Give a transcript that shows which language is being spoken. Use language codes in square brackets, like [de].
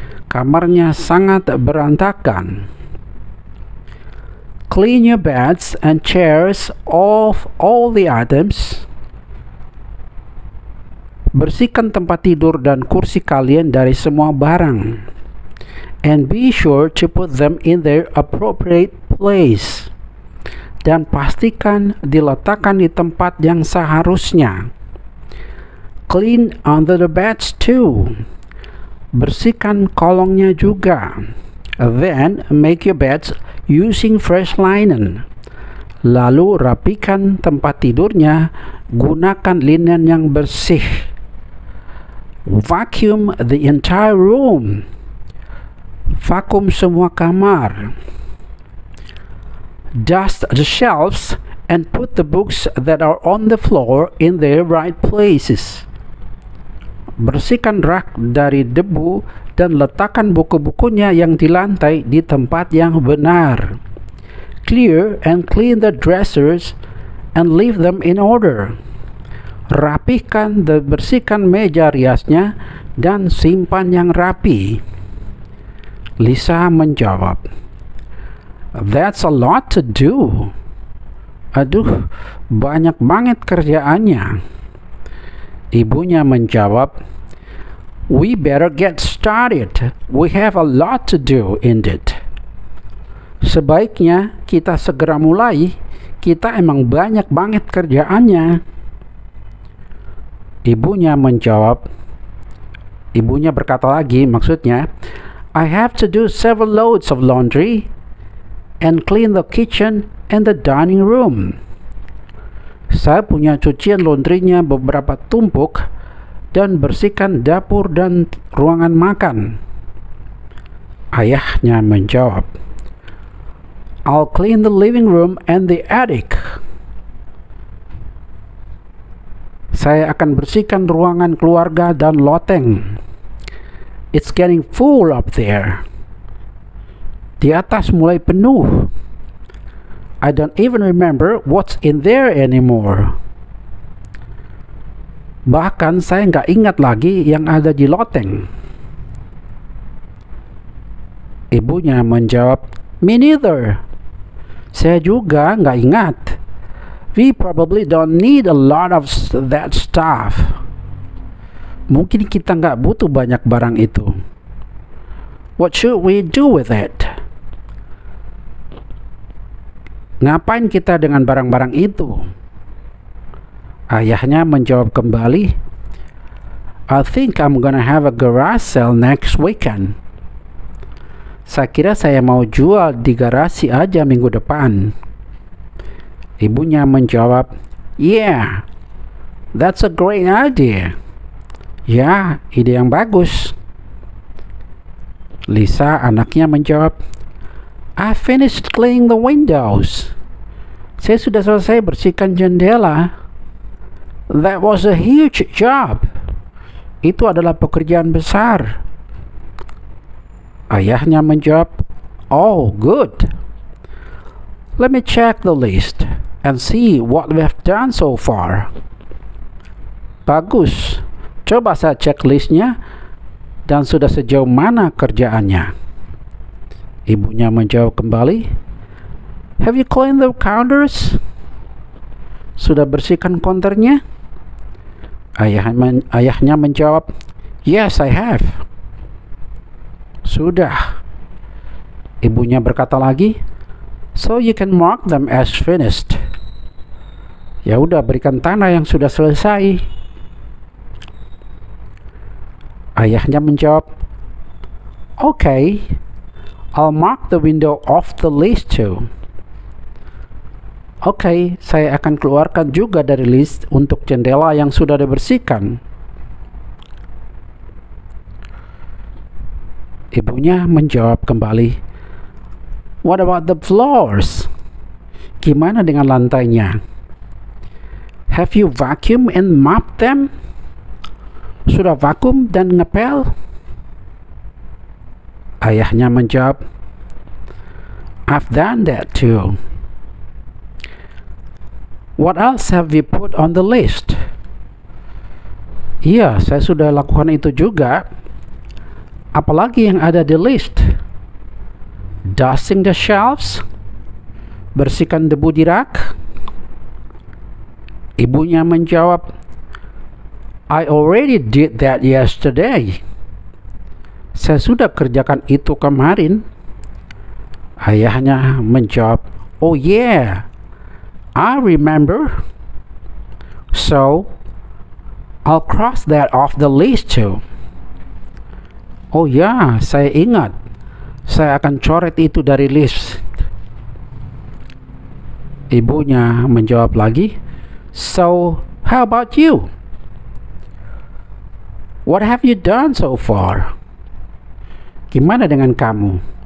[id] Kamarnya sangat berantakan. [en] Clean your beds and chairs off all the items. [id] Bersihkan tempat tidur dan kursi kalian dari semua barang. [en] And be sure to put them in their appropriate place. [id] Dan pastikan diletakkan di tempat yang seharusnya. [en] Clean under the beds too. [id] Bersihkan kolongnya juga. [en] Then make your beds using fresh linen. [id] Lalu rapikan tempat tidurnya gunakan linen yang bersih. [en] Vacuum the entire room. [id] Vakum semua kamar. [en] Dust the shelves and put the books that are on the floor in their right places. [id] Bersihkan rak dari debu dan letakkan buku-bukunya yang di lantai di tempat yang benar. [en] Clear and clean the dressers and leave them in order. [id] Rapihkan dan bersihkan meja riasnya dan simpan yang rapi. [en] Lisa [id] menjawab, [en] That's a lot to do. [id] Aduh, banyak banget kerjaannya. Ibunya menjawab, [en] We better get started. We have a lot to do indeed. [id] Sebaiknya kita segera mulai. Kita emang banyak banget kerjaannya. Ibunya menjawab, Ibunya berkata lagi maksudnya, [en] I have to do several loads of laundry and clean the kitchen and the dining room. [id] Saya punya cucian laundrynya beberapa tumpuk dan bersihkan dapur dan ruangan makan. Ayahnya menjawab, [en] I'll clean the living room and the attic. [id] Saya akan bersihkan ruangan keluarga dan loteng. [en] It's getting full up there. [id] Di atas mulai penuh. [en] I don't even remember what's in there anymore. [id] Bahkan saya enggak ingat lagi yang ada di loteng. Ibunya menjawab, [en] me neither. [id] Saya juga enggak ingat. [en] We probably don't need a lot of that stuff. [id] Mungkin kita enggak butuh banyak barang itu. [en] What should we do with it? [id] Ngapain kita dengan barang-barang itu? Ayahnya menjawab kembali, [en] I think I'm gonna have a garage sale next weekend. [id] Saya kira saya mau jual di garasi aja minggu depan. Ibunya menjawab, [en] yeah, that's a great idea. [id] Ya, ide yang bagus. Lisa, anaknya menjawab, [en] I finished cleaning the windows. [id] Saya sudah selesai bersihkan jendela. [en] That was a huge job. [id] Itu adalah pekerjaan besar. Ayahnya menjawab, [en] oh, good. Let me check the list and see what we have done so far. [id] Bagus. Coba saya cek listnya dan sudah sejauh mana kerjaannya. Ibunya menjawab kembali, [en] have you cleaned the counters? [id] Sudah bersihkan konternya? Ayahnya menjawab, [en] yes, I have. [id] Sudah. Ibunya berkata lagi, [en] so you can mark them as finished. [id] Ya udah, berikan tanda yang sudah selesai. Ayahnya menjawab, [en] okay, I'll mark the window off the list too. [id] Okay, saya akan keluarkan juga dari list untuk jendela yang sudah dibersihkan. Ibunya menjawab kembali, [en] what about the floors? [id] Gimana dengan lantainya? [en] Have you vacuum and mop them? [id] Sudah vakum dan ngepel? Ayahnya menjawab, [en] I've done that too. What else have you put on the list? [id] Iya, saya sudah lakukan itu juga. Apalagi yang ada di list? [en] Dusting the shelves? [id] Bersihkan debu di rak? Ibunya menjawab, [en] I already did that yesterday. [id] Saya sudah kerjakan itu kemarin. Ayahnya menjawab, [en] oh yeah, I remember. So, I'll cross that off the list too. Oh yeah, [id] saya ingat. Saya akan coret itu dari list. Ibunya menjawab lagi, [en] so, how about you? What have you done so far? [id] Gimana dengan kamu?